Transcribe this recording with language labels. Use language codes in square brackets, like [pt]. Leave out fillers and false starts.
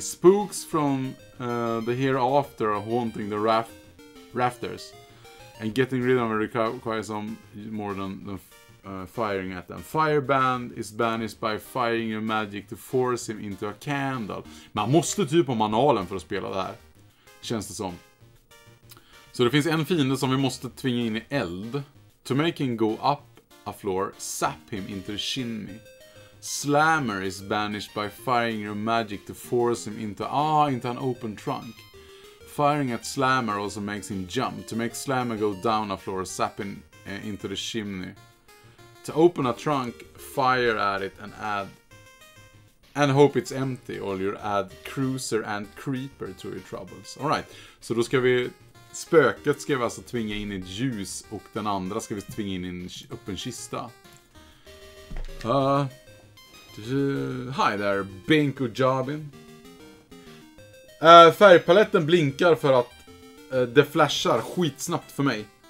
[en] Spooks from the hereafter are haunting the rafters. And getting rid of them requires some more than firing at them. Fireband is banished by firing your magic to force him into a candle. [sv] Man måste typ ha manualen för att spela det här. Känns det som. Så det finns en fiende som vi måste tvinga in i eld. [en] To make him go up a floor, sap him into the chimney. Slammer is banished by firing your magic to force him into an open trunk. Firing at Slammer also makes him jump. To make Slammer go down a floor, sap him into the chimney. To open a trunk, fire at it and add... And hope it's empty, or you add Cruiser and Creeper to your troubles. Alright, [sv] så då ska vi... Spöket ska vi alltså tvinga in i ett ljus och den andra ska vi tvinga in i en öppen kista. [en] Hi there, Binko Jobin. [sv] Färgpaletten blinkar för att det flashar skitsnabbt för mig.